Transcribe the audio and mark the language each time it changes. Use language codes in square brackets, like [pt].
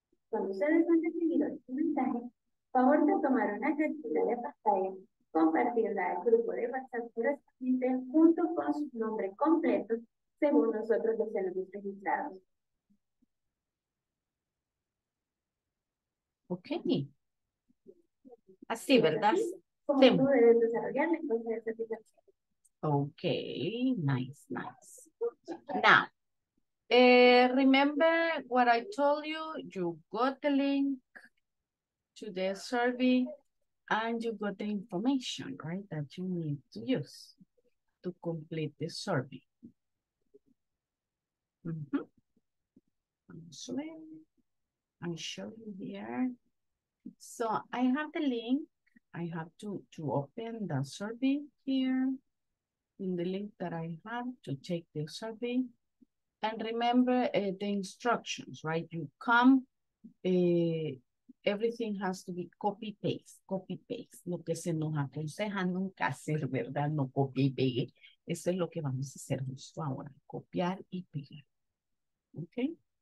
[es] Cuando ustedes han recibido este mensaje, favor de tomar una captura de pantalla, compartirla al grupo de WhatsApp correspondiente junto con su nombre completo, según nosotros los hemos registrado. Ok. Así, ¿verdad? Así, como sí. Tú debes desarrollar la encuesta de certificación. [en] Okay, nice, nice. Now, remember what I told you? You got the link to the survey And you got the information, right, that you need to use to complete the survey. I'm showing you here. So I have the link. I have to open the survey here in the link that I have to take the survey. And remember the instructions, right? You come, everything has to be copy-paste. [es] Lo que se nos aconseja nunca hacer, ¿verdad? No copy y pegue. Eso es lo que vamos a hacer justo ahora, copiar y pegar. ¿Ok?